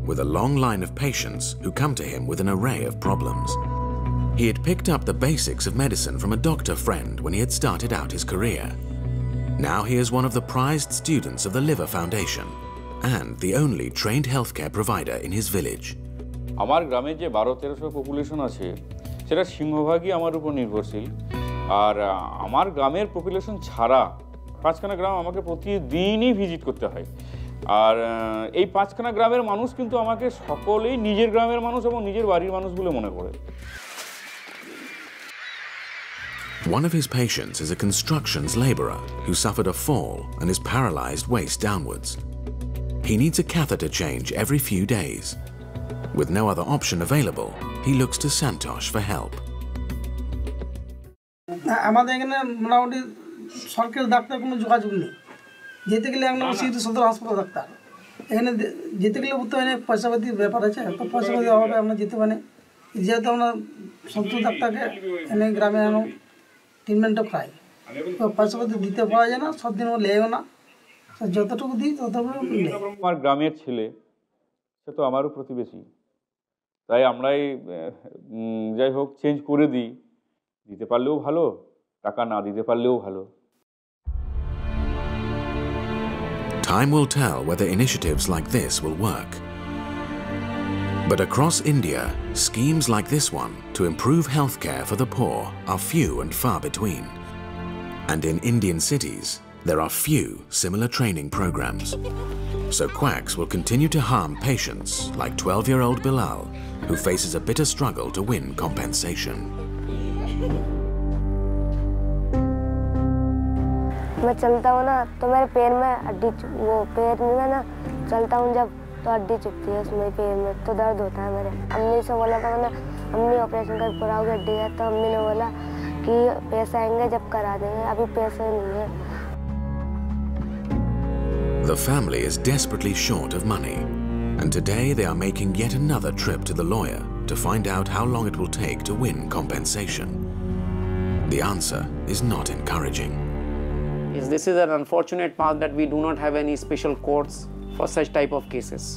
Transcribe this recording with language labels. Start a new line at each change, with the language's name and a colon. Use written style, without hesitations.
English: with a long line of patients who come to him with an array of problems. He had picked up the basics of medicine from a doctor friend when he had started out his career. Now he is one of the prized students of the Liver Foundation and the only trained healthcare provider in his village. Our gram is 12-13 population.
Bangla: সেটা সিংহভাগই আমার উপর নির্ভরশীল আর আমার গ্রামের population ছাড়া পাঁচখানা গ্রাম আমাকে প্রতিদিনই ভিজিট করতে হয় আর এই পাঁচখানা গ্রামের মানুষ কিন্তু আমাকে সকলেই নিজের গ্রামের মানুষ এবং নিজের বাড়ির মানুষ বলে মনে করে
English: One of his patients is a construction's laborer who suffered a fall and is paralyzed waist downwards. He needs a catheter change every few days. With no other option available, he looks to Santosh for help.
Bangla: আমাদের এখানে মোটামুটি সরকারি doctor কোনো যোগাযোগ নেই যেতে গেলে আমরা সিটি সদর হাসপাতাল ডাক্তার এখানে যেতে গেলে বলতে হয় পয়সা পাতির ব্যাপার আছে তো পয়সা পাতির অভাবে আমরা যেতে পারে যেহেতু আমরা সন্তু ডাক্তারকে এনে গ্রামে আনো ট্রিটমেন্টও খাই তো পয়সা পাতি দিতে পারা যায় না সব দিনও লেগেও না যতটুকু দিই ততটুকু আমার গ্রামের ছেলে সে তো আমারও প্রতিবেশী তাই আমরাই যাই হোক চেঞ্জ করে দিই, দিতে পারলেও ভালো, টাকা না দিতে পারলেও ভালো।
English: Time will tell whether initiatives like this will work. But across India, schemes like this one to improve healthcare for the poor are few and far between. And in Indian cities, there are few similar training programs. So quacks will continue to harm patients like 12-year-old Bilal, who faces a bitter struggle to win compensation.
Hindi: मैं चलता हूँ ना तो मेरे पैर में हड्डी वो पैर में ना चलता हूँ जब तो हड्डी चुभती है उसमें पैर में तो दर्द होता है मेरे अम्मी से बोला था ना अम्मी ऑपरेशन कर कराओगे हड्डी है तो अम्मी ने बोला कि पैसे आएंगे जब करा देंगे अभी पैसे नहीं है
English: The family is desperately short of money and today they are making yet another trip to the lawyer to find out how long it will take to win compensation. The answer is not encouraging. This is an unfortunate part that we do not have any special courts for such type of cases.